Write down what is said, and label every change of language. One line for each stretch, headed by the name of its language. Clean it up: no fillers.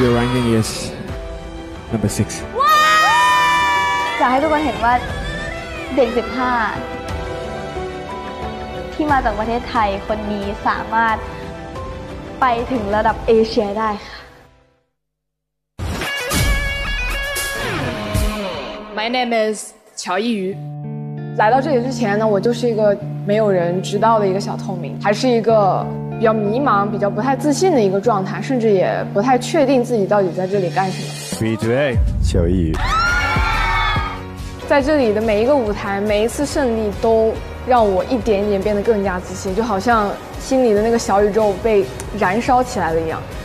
English: Your ranking is number 6
Thai: อยากให้ทุกคนเห็นว่าเด็ก15ที่มาจากประเทศไทยคนนี้สามารถไปถึงระดับเอเชียได้ค่ะ
English: My name is 乔一瑜。
Chinese: 来到这里之前呢，我就是一个没有人知道的一个小透明，还是一个比较迷茫、比较不太自信的一个状态，甚至也不太确定自己到底在这里干什么。闭嘴，乔一瑜。在这里的每一个舞台、每一次胜利，都让我一点一点变得更加自信，就好像心里的那个小宇宙被燃烧起来了一样。